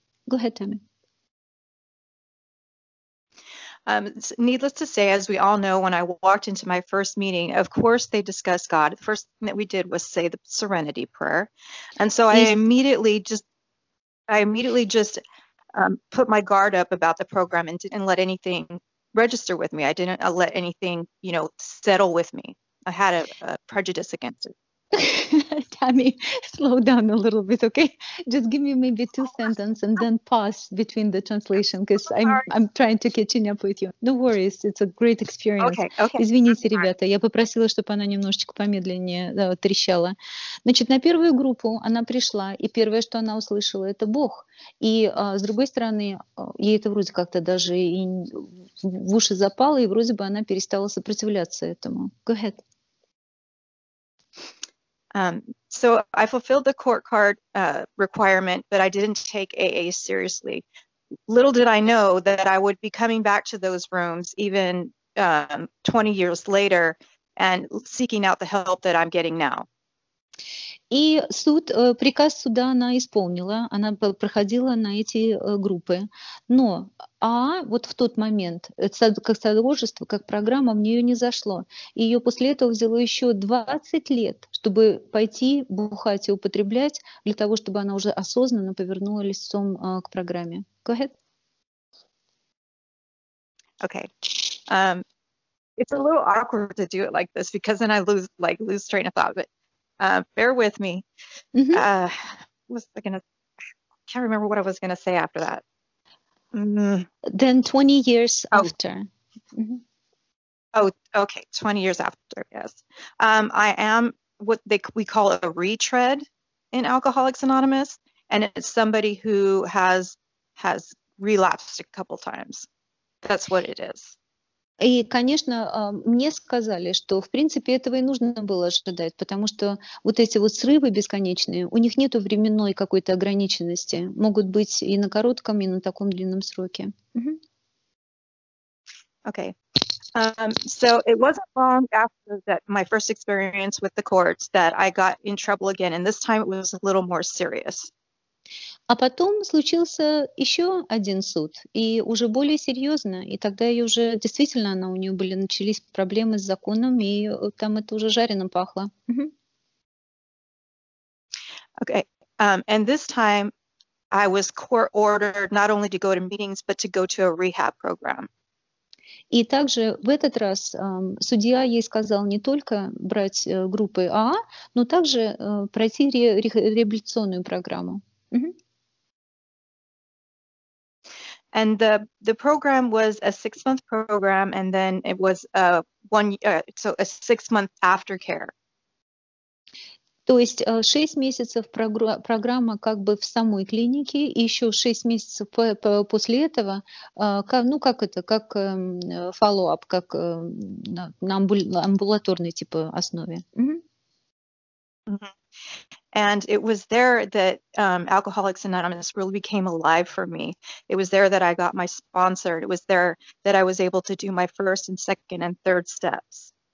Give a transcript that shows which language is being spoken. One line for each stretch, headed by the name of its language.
English: Go ahead, Tammy. Needless to say, as we all know, when I walked into my first meeting, of course they discussed God. The first thing that we did was say the Serenity Prayer. And so I immediately just put my guard up about the program and didn't let anything register with me. I didn't let anything, you know, settle with me. I had a prejudice against it. Tammy, slow down a little bit, okay? Just give me maybe two sentences and then pause between the translation because I'm trying to catch up with you. No worries, it's a great experience. Okay, okay.
Russian: Извините, ребята, я попросила, чтобы она немножечко помедленнее трещала. Значит, на первую группу она пришла, и первое, что она услышала, это Бог. И с другой стороны, ей это вроде как-то даже и в уши запало, и вроде бы она перестала сопротивляться этому.
English: Go ahead. So I fulfilled the court card requirement, but I didn't take AA seriously. Little did I know that I would be coming back to those rooms even 20 years later and seeking out the help that I'm getting now.
Russian: И суд, приказ суда она исполнила, она проходила на эти группы. Но вот в тот момент, как содружество, как программа, в нее не зашло. И ее после этого взяло еще 20 лет, чтобы пойти бухать и употреблять, для того, чтобы она уже осознанно повернула лицом к программе.
English: Go ahead. Okay. It's a little awkward to do it like this, because then I lose train of thought, but... bear with me. Can't remember what I was going to say after that. Then 20 years after. Okay. 20 years after. Yes. I am what we call a retread in Alcoholics Anonymous. And it's somebody who has relapsed a couple times. That's what it is.
Russian: И, конечно, мне сказали, что, в принципе, этого и нужно было ожидать, потому что вот эти вот срывы бесконечные, у них нету временной какой-то ограниченности. Могут быть и на коротком, и на таком длинном сроке.
English: Okay. So it wasn't long after that my first experience with the courts that I got in trouble again, and this time it was a little more serious.
Russian: А потом случился еще один суд, и уже более серьезно, и тогда ее уже действительно она у нее были начались проблемы с законом, и там это уже жареным пахло.
English: Okay, and this time I was court ordered not only to go to meetings, but to go to a rehab program.
Russian: И также в этот раз судья ей сказал не только брать группы АА, но также пройти реабилитационную программу.
English: And the program was a 6-month program, and then it was a 6-month aftercare.
Russian: То есть 6 месяцев программа как бы в самой клинике, и еще 6 месяцев после этого, как follow-up, как на амбулаторной типа основе.
English: And it was there that Alcoholics Anonymous really became alive for me. It was there that I got my sponsor. It was there that I was able to do my first and second and third steps.